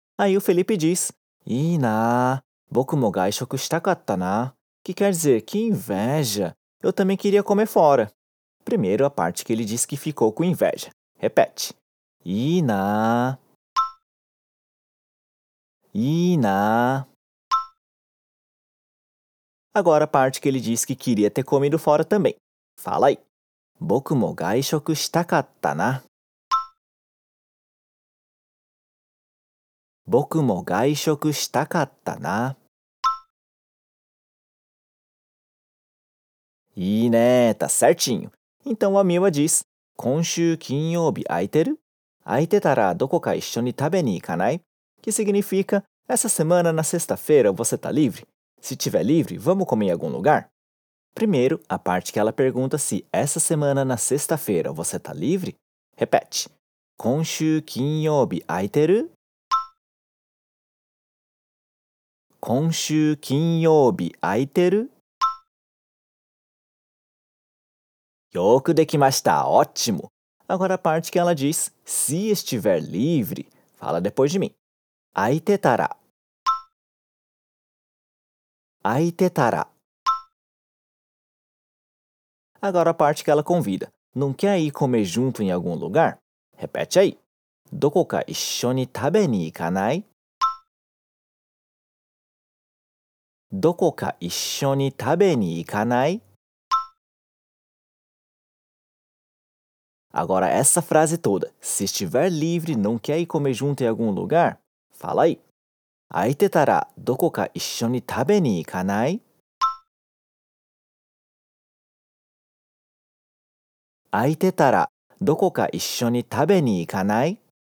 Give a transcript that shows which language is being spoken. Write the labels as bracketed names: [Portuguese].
[Portuguese] Aí o Felipe diz: [Japanese] いいな、僕も外食したかったな。 [Portuguese] Que quer dizer, que inveja! Eu também queria comer fora. Primeiro a parte que ele diz que ficou com inveja. Repete: [Japanese] いいな、いいな。 [Portuguese] Agora a parte que ele diz que queria ter comido fora também. Fala aí: [Japanese] 僕も外食したかったな。僕も外食したかったな。いいね、 [Portuguese] tá certinho。 Então a Miwa diz: [Japanese] 今週金曜日空いてる？空いてたらどこか一緒に食べに行かない？ [Portuguese] Que significa: essa semana na sexta-feira você tá livre? Se tiver livre, vamos comer em algum lugar? Primeiro, a parte que ela pergunta se essa semana na sexta-feira você tá livre? Repete: [Japanese] 今週金曜日空いてる？今週金曜日空いてる？よくできました。 [Portuguese] ótimo! Agora a parte que ela diz: se estiver livre, fala depois de mim. [Japanese] 空いてたら。空いてたら。 [Portuguese] Agora a parte que ela convida: não quer ir comer junto em algum lugar? Repete aí: [Japanese] どこか一緒に食べに行かない？どこか一緒に食べに行かない？ [Portuguese] Agora essa frase toda. Se estiver livre, não quer ir comer junto em algum lugar? Fala aí. [Japanese] 空いてたらどこか一緒に食べに行かない？空いてたらどこか一緒に食べに行かない？